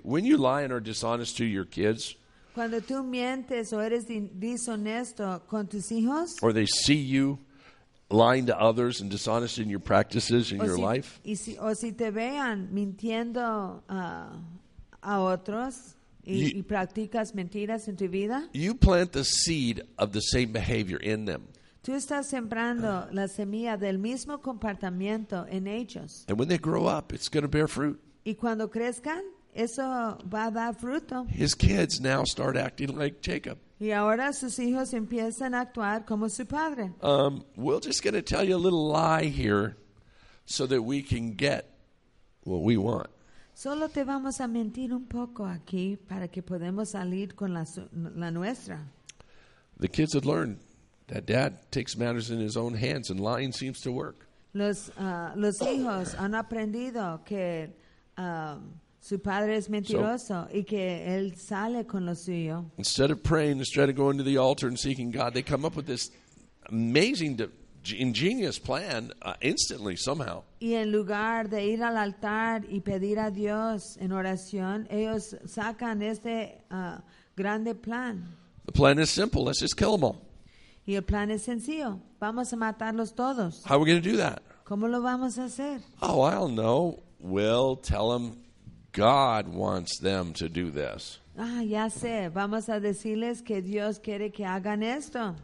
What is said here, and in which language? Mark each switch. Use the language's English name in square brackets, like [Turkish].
[English] When you lie and are dishonest to your kids, [Spanish] cuando tú mientes o eres dishonesto con tus hijos, [English] or they see you lying to others and dishonest in your practices in your life, [Spanish] y si, o si te vean mintiendo a otros y practicas mentiras en tu vida, [English] you plant the seed of the same behavior in them. [Spanish] Tú estás sembrando la semilla del mismo comportamiento en ellos. [English] And when they grow up, it's going to bear fruit. [Spanish] Y cuando crezcan, eso va a dar fruto. [English] His kids now start acting like Jacob. [Spanish] Y ahora sus hijos empiezan a actuar como su padre. [English] We're just going to tell you a little lie here so that we can get what we want. [Spanish] Solo te vamos a mentir un poco aquí para que podamos salir con la nuestra. [English] The kids have learned that dad takes matters in his own hands and lying seems to work. [Spanish] Los hijos han aprendido que su padre es mentiroso y que él sale con lo suyo. [English] Instead of praying, instead of going to the altar and seeking God, they come up with this amazing, ingenious plan instantly, somehow. [Spanish] Y en lugar de ir al altar y pedir a Dios en oración, ellos sacan este grande plan. [English] The plan is simple. Let's just kill them all. [Spanish] Y el plan es sencillo. Vamos a matarlos todos. [English] How are we going to do that? [Spanish] ¿Cómo lo vamos a hacer? [English] Oh, I don't know. We'll tell them God wants them to do this. [Spanish] Ah, ya sé. Vamos a decirles que Dios quiere que hagan esto.